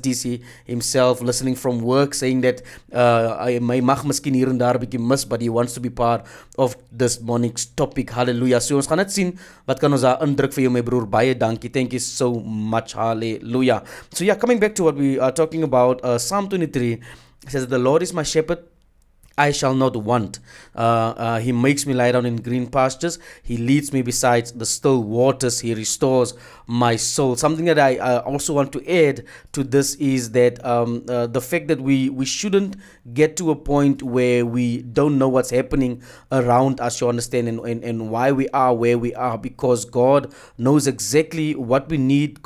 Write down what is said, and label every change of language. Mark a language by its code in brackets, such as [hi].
[en] TC himself, listening from work, saying that [af] hy mag miskien hier en daar bietjie mis, [en] but he wants to be part of this morning's topic. Hallelujah. [af] So ons gaan net sien wat kan ons daar indruk vir jou, my broer. Baie dankie. [en] Thank you so much. Hallelujah. So yeah, coming back to what we are talking about, Psalm 23 says that the Lord is my shepherd, I shall not want. He makes me lie down in green pastures. He leads me beside the still waters. He restores my soul. Something that I also want to add to this is that the fact that we shouldn't get to a point where we don't know what's happening around us, you understand, and why we are where we are, because God knows exactly what we need.